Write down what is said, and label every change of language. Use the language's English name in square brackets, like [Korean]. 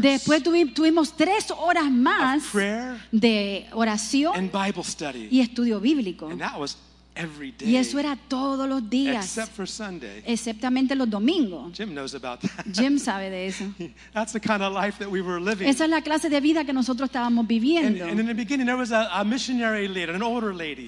[Spanish] después tuvimos 3 horas más [English] of prayer [Spanish] de oración [English] and Bible study. [Spanish] Y estudio bíblico. [English] And that was every day, [Spanish] y eso era todos los días, [English] except for Sunday. [Spanish] Exceptamente los domingos. [English] Jim knows about that. [Spanish] Jim sabe de eso. [English] That's the kind of life that we were living. [Spanish] Esa es la clase de vida que nosotros estábamos viviendo. [English] And in the beginning, there was a missionary lady, an older lady.